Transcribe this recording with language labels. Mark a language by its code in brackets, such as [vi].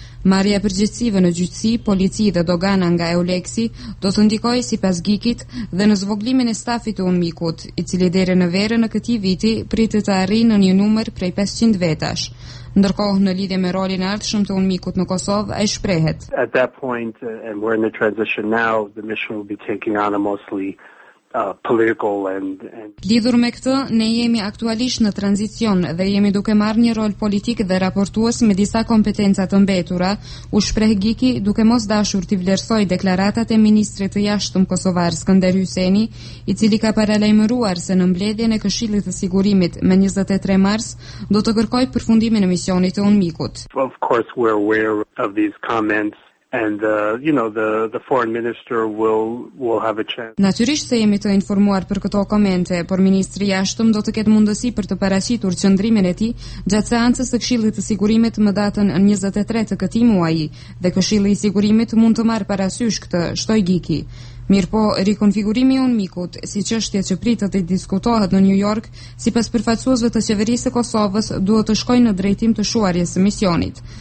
[sq] Marrja e përgjegjësive në gjyqësi, polici dhe dogana nga Euleksi do të ndikojë sipas Geekyt dhe në zvoglimin e stafit të UNMIK-ut, i cili deri në verën në këtij viti pritet të arrijë në një numër prej 500 vetash. Ndërkohë, në lidhje me rolin e ardhshëm të UNMIK-ut në Kosovë, ai shprehet: [en] At that point and we're in the transition now, the mission will be taking on a mostly [sq] Lidhur me këtë, ne jemi aktualisht në tranzicion dhe jemi duke marrë një rol politik dhe raportues me disa kompetenca të mbetura, u shpreh Geeky duke mos dashur t'i vlerësoj deklaratat e ministrit të jashtëm kosovar Skënder Hyseni, i cili ka paralajmëruar se në mbledhjen e Këshillit të Sigurimit me 23 mars do të kërkojë përfundimin e misionit të UNMIK-ut. [en] Of course we're aware of these comments. And you know the foreign minister will have a chance. [sq] Natyrisht se jemi të informuar për këto komente, por ministri i jashtëm do të ketë mundësi për të paraqitur qëndrimin e tij gjatë seancës së Këshillit të Sigurimit më datën 23 të këtij muaji, dhe Këshilli i Sigurimit mund të marrë parasysh këtë, shtoi Geeky. Mirpo, rikonfigurimi i UNMIK-ut, si çështje që pritet të diskutohet në New York, sipas përfaqësuesve të qeverisë së Kosovës, duhet të shkojë në drejtim të shuarjes së misionit.